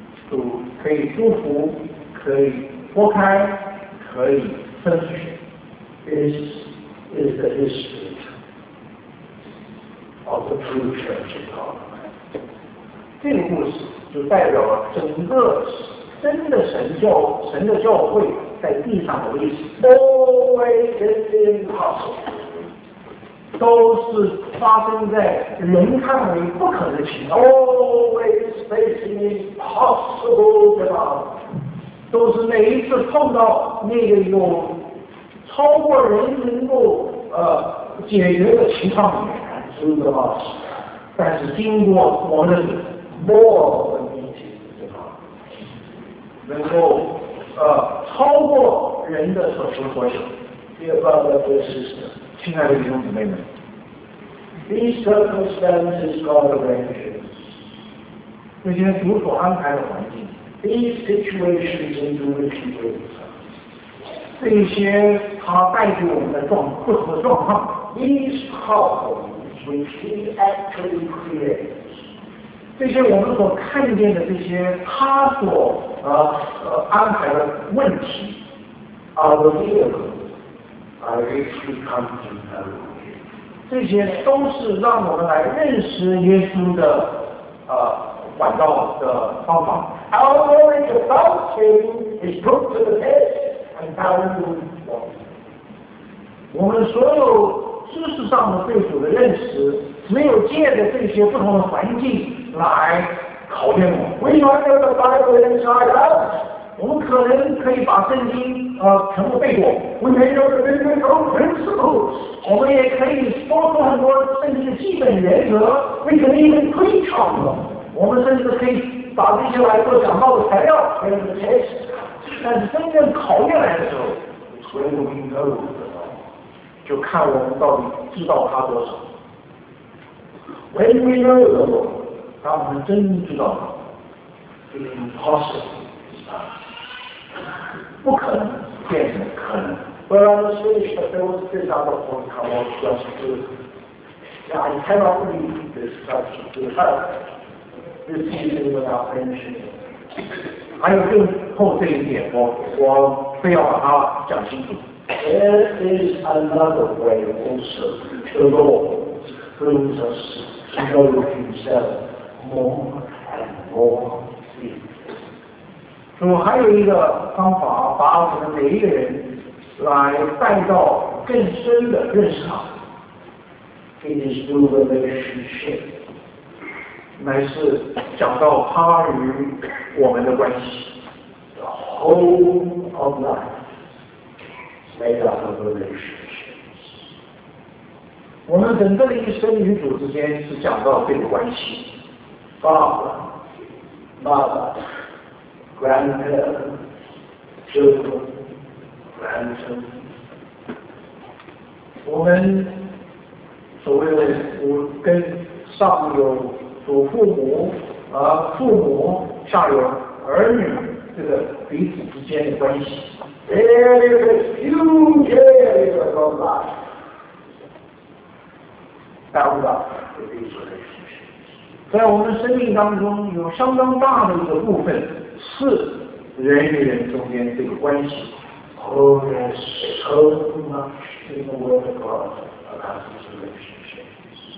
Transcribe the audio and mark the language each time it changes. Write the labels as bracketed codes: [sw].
[zh] 主可以祝福，可以拨开，可以分出去。 [en] This is the history of the true church of God. [zh] 这个故事就代表了整个真的神教神的教会在地上的历史。 [en] Always it is impossible. [zh] 都是发生在人看为不可能的情况 [en] Always facing impossible demand [zh] 都是每一次碰到那个有超过人能够解决的情况里面 [en] Through the loss [zh] 但是经过我们 [en] More than meeting the demand [zh] 能够超过人的所求所想 [en] Dear brother, dear sister [zh] 亲爱的弟兄姊妹们， [en] These circumstances God arranges. [zh] 那些主所安排的环境。 [en] These situations into which He brings us. [zh] 这些他带给我们的状不同的状况。 [en] These problems which He actually creates. [zh] 这些我们所看见的这些他所安排的问题。 [en] Are the vehicle by which we come to know. [zh] 这些都是让我们来认识耶稣的管道的方法。 [en] Our knowledge about him is put to the test and found to be wrong. [zh] 我们所有知识上的对主的认识，只有借着这些不同的环境来考验我们。 [en] We might have the Bible inside out. [zh] 我们可能可以把圣经全部背过。 [en] We may know the biblical principles. [zh] 我们也可以说出很多圣经的基本原则 [en] ，We can even preach on them。 [zh] 我们甚至可以把这些来做讲道的材料 [en] ，And the test。 [zh] 但是真正考验来的时候 [en] ，It's when we know the law， [zh] 就看我们到底知道它多少。 [en] When we know the law， [zh] 当我们真知道它 [en] ，It's impossible， [zh] 不可能变成可能。 [en] Well, I'm finished, but there was this other point I want just to. I cannot read this subject without this season without mentioning it. I don't think it's important. I don't think it's important. There is another way also. The Lord brings us to know Himself more and more deeply. [zh] So, 还有一个方法把我们每一个人来带到更深的认识上 [en] It is through relationship [zh] 乃是讲到他与我们的关系 [en] The whole of life made up of relationships. [zh] 我们整个的一生与主之间是讲到这个关系。 [en] Father, mother, grandparents, children, grandchildren. [zh] 我们所谓的我跟上有祖父母啊，父母下有儿女，这个彼此之间的关系。 [en] There is a huge area of life bound up with these relationships. [zh] 在我们生命当中，有相当大的一个部分是人与人中间这个关系。 [en] Oh, there's so much in the Word of God about these relationships.